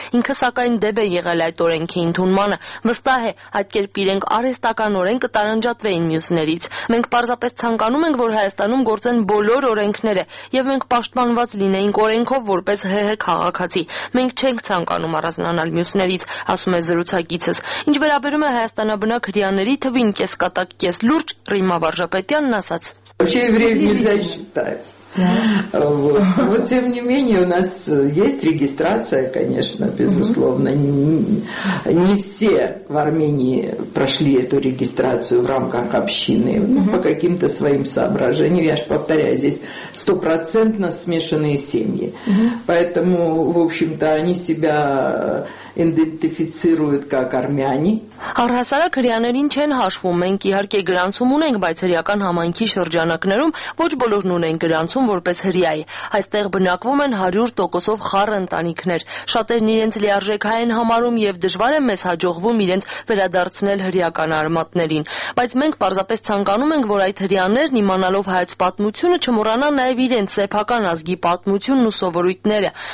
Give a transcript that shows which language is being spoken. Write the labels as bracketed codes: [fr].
[hy] Ինքը սակայն դեպ է եղել այդ օրենքի ընդունմանը։ Վստահ է, այդ կերպ իրենք արհեստական օրենքը տարանջատվեին մյուսներից։ Մենք պարզապես ցանկանում ենք, որ Հայաստանում գործեն բոլոր օրենքները, եւ մենք պաշտպանված լինեինք օրենքով որպես ՀՀ քաղաքացի։ Մենք չենք ցանկանում առանձնանալ մյուսներից, ասում է զրուցակիցս։ Ինչ վերաբերում է հայաստանաբնակ հրեաների թվին կես կատակ կես լուրջ, Ռիմա Վարժապետյանն ասաց. [ru] Вообще евреев нельзя считать. Вот тем не менее у нас есть регистрация, конечно, безусловно. Не все в Армении прошли эту регистрацию в рамках общины, по каким-то своим соображениям. Я же повторяю, здесь стопроцентно смешанные семьи. Поэтому, в общем-то, они себя идентифицируют как армяне. [hy] Արհասարակ հրեաներին չեն հաշվում, մենք իհարկե գրանցում ունենք, բայց հրեական համայնքի շրջանակներում ոչ բոլորն ունեն գրանցում որպես հրեայի։ Այստեղ բնակվում են 100% խառը ընտանիքներ, շատերն իրենց լիարժեքային համարում և դժվար է մեզ հաջողվում իրենց վերադարձնել հրեական արմատներին։ Բայց մենք պարզապես ցանկանում ենք, որ այդ հրեաներն իմանալով հայոց պատմությունը չմոռանան նաև իրենց սեփական ազգի պատմությունն ու սովորույթները,